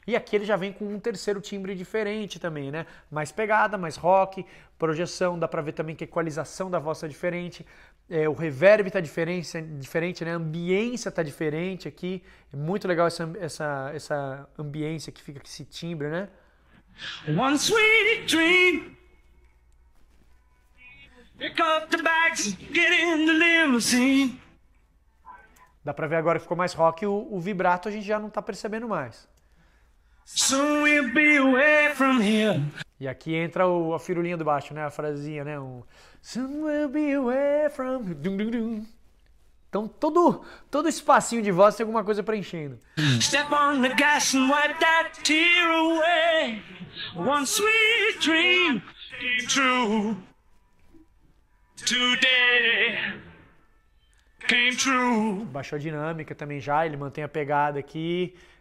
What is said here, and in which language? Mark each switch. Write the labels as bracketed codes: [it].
[pt] E aqui ele já vem com um terceiro timbre diferente também, né? Mais pegada, mais rock, projeção, dá pra ver também que a equalização da voz tá diferente. É, o reverb tá diferente, né? A ambiência tá diferente aqui. É muito legal essa ambiência que fica com esse timbre, né? [en] One sweet dream. Pick up the bags, get in the limousine. [pt] Dá pra ver agora que ficou mais rock e o vibrato a gente já não tá percebendo mais. [en] Soon we'll be away from here. [pt] E aqui entra a firulinha do baixo, né? A frasezinha, né? [en] Soon we'll be away from... [pt] Dum, dum, dum. Então todo espacinho de voz tem alguma coisa preenchendo. [en] Step on the gas and wipe that tear away. One sweet dream came true. Today came true. [pt] Baixou a dinâmica também já, ele mantém a pegada aqui.